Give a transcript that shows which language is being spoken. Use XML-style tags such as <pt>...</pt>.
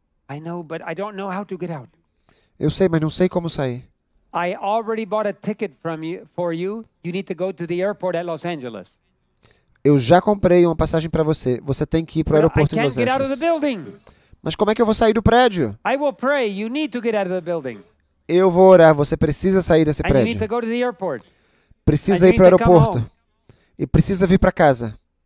<en>I know, but I don't know how to get out.</en> <pt>Eu sei, mas não sei como sair.</pt> <en>I already bought a ticket from you, for you. You need to go to the airport at Los Angeles.</en> <pt>Eu já comprei uma passagem para você. Você tem que ir para o aeroporto de Los Angeles.</pt> <en>I can't get out of the building.</en> <pt>Mas como é que eu vou sair do prédio?</pt> <en>I will pray. You need to get out of the building.</en> <pt>Eu vou orar. Você precisa sair desse prédio. And you need to go to the airport. Precisa ir para o aeroporto. E precisa vir para casa.</pt>